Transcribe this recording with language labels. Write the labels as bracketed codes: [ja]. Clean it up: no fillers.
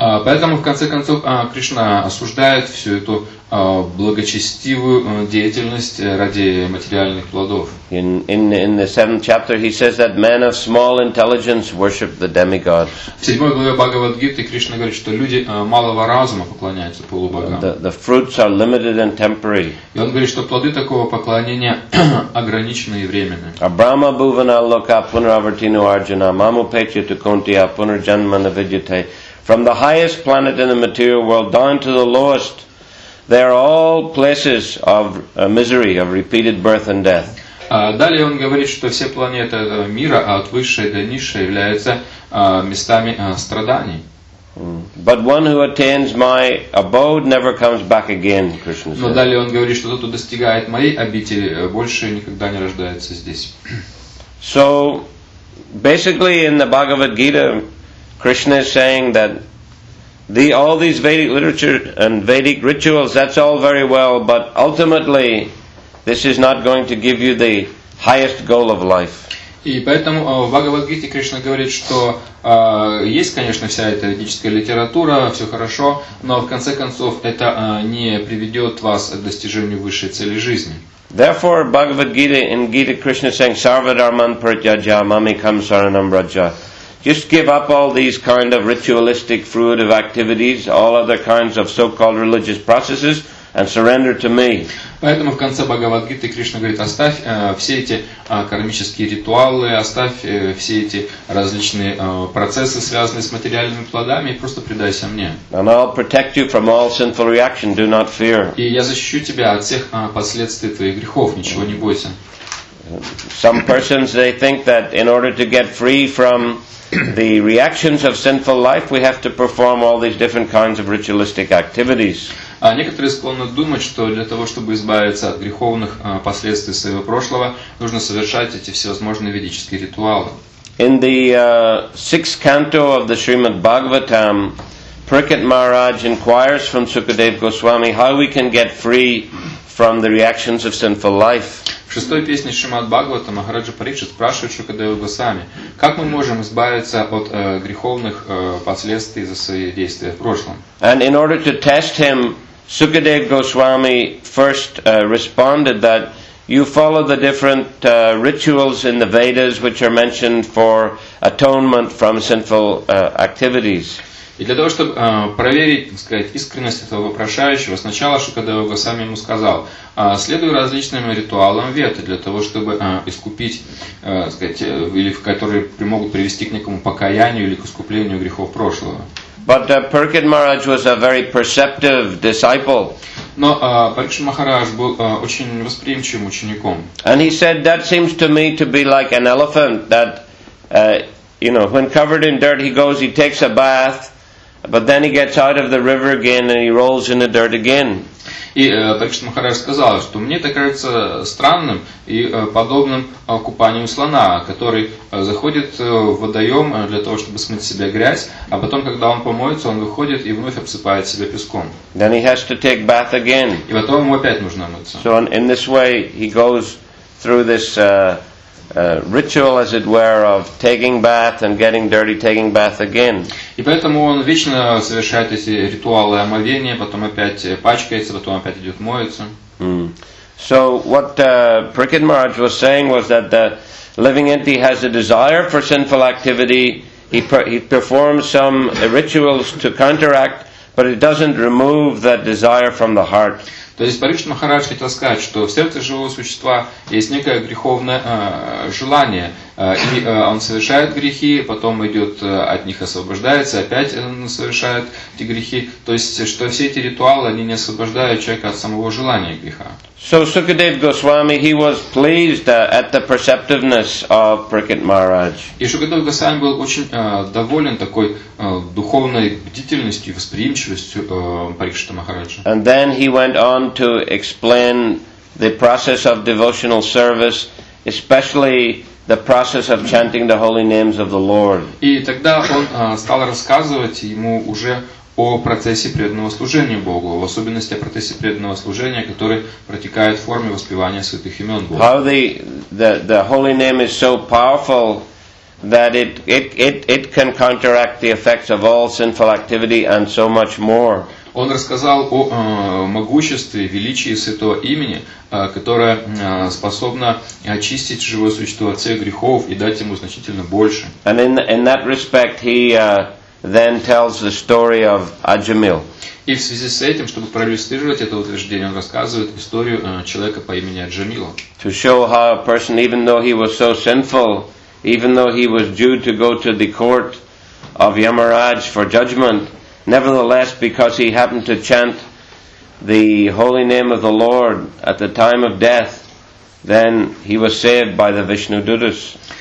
[ru] Поэтому в конце концов Кришна осуждает всю эту благочестивую деятельность ради материальных плодов. [en] In the seventh chapter he says that men of small intelligence worship the demigods. [ru] В седьмой главе Бхагавад-гиты Кришна говорит, что люди малого разума поклоняются полубогам. [en] The fruits are limited and temporary. [ru] И он говорит, что плоды такого поклонения ограничены и временны. [sa] Abrahma bhuvana loka punaravartino arjuna mamupetya tukunti apunarjanma navidyate. [en] From the highest planet in the material world down to the lowest, they are all places of misery, of repeated birth and death. [ru] Далее он говорит, что все планеты мира от высшей до низшей являются местами страданий. [en] But one who attains my abode never comes back again, Krishna says. [ru] Но далее он говорит, что тот, кто достигает моей обители, больше никогда не рождается здесь. [en] So, basically in the Bhagavad Gita, Krishna is saying that all these Vedic literature and Vedic rituals, that's all very well, but ultimately this is not going to give you the highest goal of life. [ru] И поэтому в Бхагавад-гите Кришна говорит, что есть, конечно, вся эта ведическая литература, все хорошо, но в конце концов это не приведет вас к достижению высшей цели жизни. [en] Therefore, Bhagavad-gita, in Gita, Krishna is saying, [sa] Sarvadharman Parityajya, Mamekam Saranam Vraja. [en] Just give up all these kind of ritualistic fruit of activities, all other kinds of so-called religious processes, and surrender to me. [ru] Поэтому в конце Бхагавад-гиты Кришна говорит: оставь все эти кармические ритуалы, оставь все эти различные процессы, связанные с материальными плодами, и просто предайся мне. [en] And I'll protect you from all sinful reaction. Do not fear. [ru] И я защищу тебя от всех последствий твоих грехов. Ничего не бойся. [en] Some persons they think that in order to get free from the reactions of sinful life, we have to perform all these different kinds of ritualistic activities. [ru] Некоторые склонны думать, что для того, чтобы избавиться от греховных последствий своего прошлого, нужно совершать эти всевозможные ведические ритуалы. [en] In the sixth canto of the Srimad Bhagavatam, Parikshit Maharaj inquires from Sukadeva Goswami how we can get free from the reactions of sinful life. [ru] В шестой песне Шримад Бхагавата Махараджа Парикшит спрашивает Шукадева Госвами, как мы можем избавиться от греховных последствий за свои действия в прошлом. [en] And in order to test him, Sukadeva Goswami first responded that you follow the different rituals in the Vedas which are mentioned for atonement from sinful activities. [ru] И для того, чтобы проверить, так сказать, искренность этого вопрошающего, сначала Шукадева Госвами ему сказал, следуй различным ритуалам веды для того, чтобы искупить, так сказать, или которые могут привести к некому покаянию или к искуплению грехов прошлого. [en] But Parikshit Maharaj was a very perceptive disciple. [ru] Но Парикшит Махарадж был очень восприимчивым учеником. [en] And he said, that seems to me to be like an elephant that, you know, when covered in dirt, he goes, he takes a bath, but then he gets out of the river again and he rolls in the dirt again. [ru] И Парикшит Махарадж сказал, что мне это кажется странным и подобным купанию слона, который заходит в водоем для того, чтобы смыть с себя грязь, а потом, когда он помоется, он выходит и вновь обсыпает себя песком. [en] Then he has to take bath again. [ru] И потом ему опять нужно мыться. [en] So in this way he goes through this ritual, as it were, of taking bath and getting dirty, taking bath again. [ru] И поэтому он вечно совершает эти ритуалы омовения, потом опять пачкается, потом опять идет моется. [en] So what Prakrit Maharaj was saying was that the living entity has a desire for sinful activity. He performs some rituals to counteract, but it doesn't remove that desire from the heart. [ru] То есть Парикшит Махарадж хотел сказать, что в сердце живого существа есть некое греховное желание, и он совершает грехи, потом идет от них освобождается, опять совершает эти грехи. То есть что все эти ритуалы они не освобождают человека от самого желания греха. [en] So Sukadev Goswami, he was pleased at the perceptiveness of Prakrit Maharaj. [ru] И Шукадев Госвами был очень доволен такой духовной бдительностью и восприимчивостью Парикшита Махараджа. [en] And then he went on to explain the process of devotional service, especially the process of chanting the holy names of the Lord. [ru] И тогда он стал рассказывать ему уже о процессе преданного служения Богу, в особенности о процессе преданного служения, который протекает в форме воспевания святых имен Бога. [en] How the holy name is so powerful that it can counteract the effects of all sinful activity and so much more. [ru] Он рассказал о могуществе, величии святого имени, которое способно очистить живое существо от всех грехов и дать ему значительно больше. [en] And in that respect, he then tells the story of Ajamil. [ru] И в связи с этим, чтобы проиллюстрировать это утверждение, он рассказывает историю человека по имени Аджамила. [en] To show how a person, even though he was so sinful, even though he was due to go to the court of Yamaraj for judgment, nevertheless, because he happened to chant the holy name of the Lord at the time of death, then he was saved by the Vishnu Dutas.